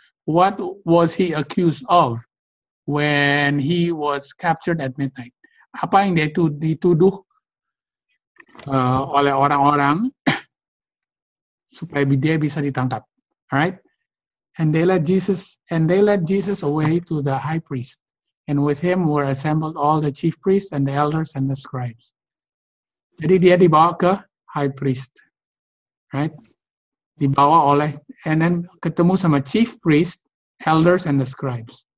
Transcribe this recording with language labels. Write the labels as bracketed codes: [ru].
[en] What was he accused of when he was captured at midnight? [id] Apa yang dia dituduh oleh orang-orang supaya dia bisa ditangkap? [en] Alright? And they led Jesus away to the high priest. And with him were assembled all the chief priests and the elders and the scribes. [id] Jadi dia dibawa ke high priest. [en] Right? [id] Dibawa oleh, [en] and then [id] ketemu sama [en] chief priest, elders and the scribes.